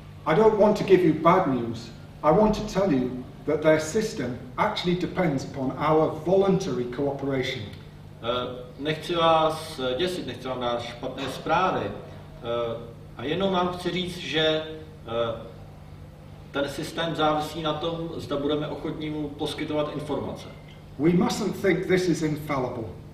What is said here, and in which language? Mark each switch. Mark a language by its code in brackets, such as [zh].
[en] I don't want to give you bad news. I want to tell you that their system actually depends upon our voluntary cooperation. [cs] Nechci vás děsit, nechci vám dát špatné zprávy. A jenom vám chci říct, že ten systém závisí na tom, zda budeme ochotní mu poskytovat informace. [en] We mustn't think this is infallible.